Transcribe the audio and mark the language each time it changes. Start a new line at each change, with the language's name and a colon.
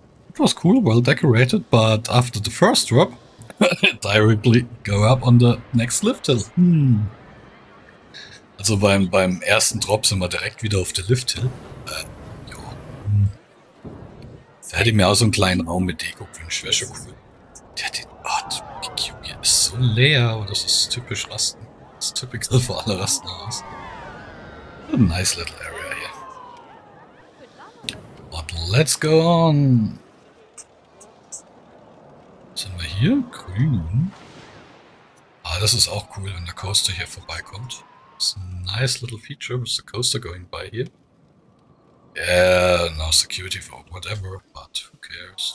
English: It was cool, well decorated, but after the first drop, directly go up on the next lift hill. Hmm.
German: Also beim ersten Drop sind wir direkt wieder auf der Lift hill. Da hätte ich mir auch so einen kleinen Raum mit Deko gewünscht, wäre schon cool. Der hat den Ort, die ist so leer, aber das ist typisch Rasten. Das ist typisch für alle Rasten aus.
English: A nice little area here. But let's go on.
German: Sind wir hier? Grün. Ah, das ist auch cool, wenn der Coaster hier vorbeikommt. Das ist ein
English: nice little feature with the coaster going by here. Yeah, no security for whatever, but who cares?